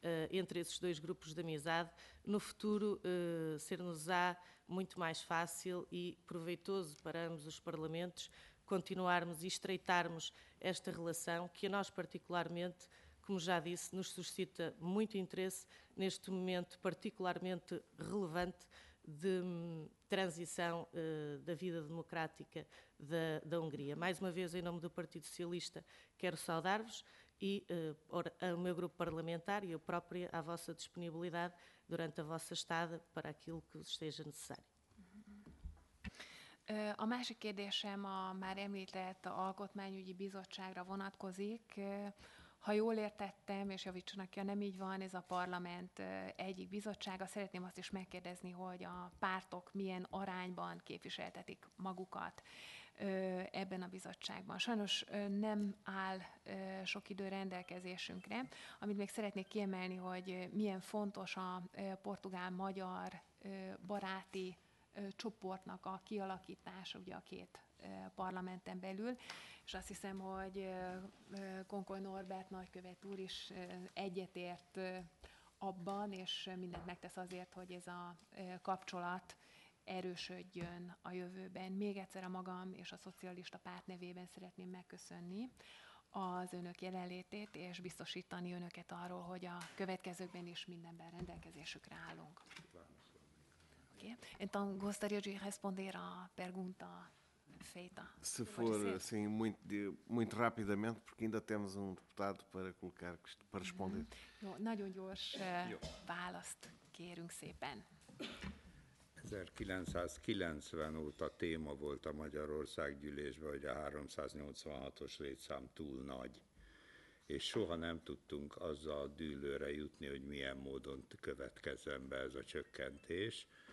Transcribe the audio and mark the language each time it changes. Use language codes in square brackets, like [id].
[pt] entre esses dois grupos de amizade, no futuro ser-nos-á muito mais fácil e proveitoso para ambos os parlamentos continuarmos e estreitarmos esta relação, que a nós particularmente, como já disse, nos suscita muito interesse neste momento particularmente relevante de transição da vida democrática da Hungria. Mais uma vez, em nome do Partido Socialista, quero saudar-vos e ao meu grupo parlamentar e eu própria à vossa disponibilidade durante a vossa estada para aquilo que esteja necessário. [hu] A másik kérdésem a már említett Alkotmányügyi Bizottságra vonatkozik. Ha jól értettem, és javítsanak ki, ha nem így van, ez a parlament egyik bizottsága. Szeretném azt is megkérdezni, hogy a pártok milyen arányban képviseltetik magukat ebben a bizottságban. Sajnos nem áll sok idő rendelkezésünkre. Amit még szeretnék kiemelni, hogy milyen fontos a portugál-magyar baráti csoportnak a kialakítása ugye a két parlamenten belül, és azt hiszem, hogy Konkoly Norbert nagykövet úr is egyetért abban, és mindent megtesz azért, hogy ez a kapcsolat erősödjön a jövőben. Még egyszer a magam és a Szocialista Párt nevében szeretném megköszönni az önök jelenlétét, és biztosítani önöket arról, hogy a következőkben is mindenben rendelkezésükre állunk. Okay. [pt] Então, gostaria de responder à pergunta feita. Se for assim, muito rapidamente, porque ainda temos um deputado para colocar, para responder. [hu] Jó, nagyon gyors választ kérünk szépen. 1990 óta téma volt a Magyarország gyűlésben, hogy a 386-os létszám túl nagy, és soha nem tudtunk azzal dűlőre jutni, hogy milyen módon következzen be ez a csökkentés.